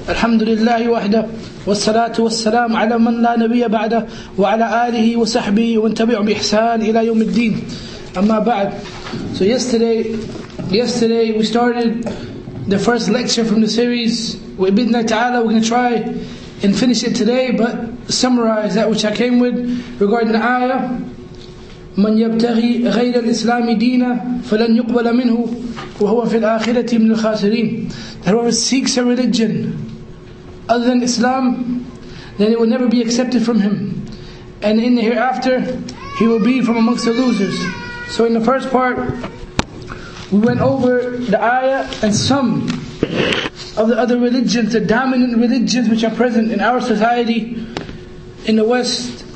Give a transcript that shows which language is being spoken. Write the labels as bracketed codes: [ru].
[ar] الحمد لله وحده والصلاة والسلام على من لا نبي بعده وعلى آله وصحبه ومن تبعهم بإحسان إلى يوم الدين. أما بعد, [en] so yesterday we started the first lecture from the series. [ar] وبإذن الله تعالى, [en] we're going to try and finish it today, but summarize that which I came with regarding the ayah. [ar] من يبتغي غير الإسلام دينا فلن يقبل منه وهو في الآخرة من الخاسرين. [en] That whoever seeks a religion other than Islam, then it will never be accepted from him, and in the hereafter he will be from amongst the losers. So in the first part we went over the ayah and some of the other religions, the dominant religions which are present in our society in the West.